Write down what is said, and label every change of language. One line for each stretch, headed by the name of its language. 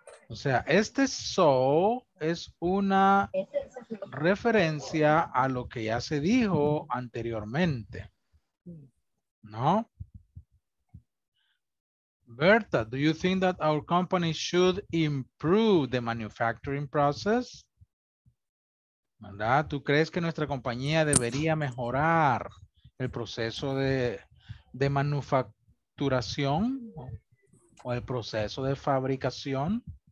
Spanish: O sea, este so es una referencia a lo que ya se dijo anteriormente. ¿No?
English: Berta, do you think that our company should improve the manufacturing process?
Spanish: ¿Verdad? ¿Tú crees que nuestra compañía debería mejorar el proceso de manufacturación o el proceso de fabricación?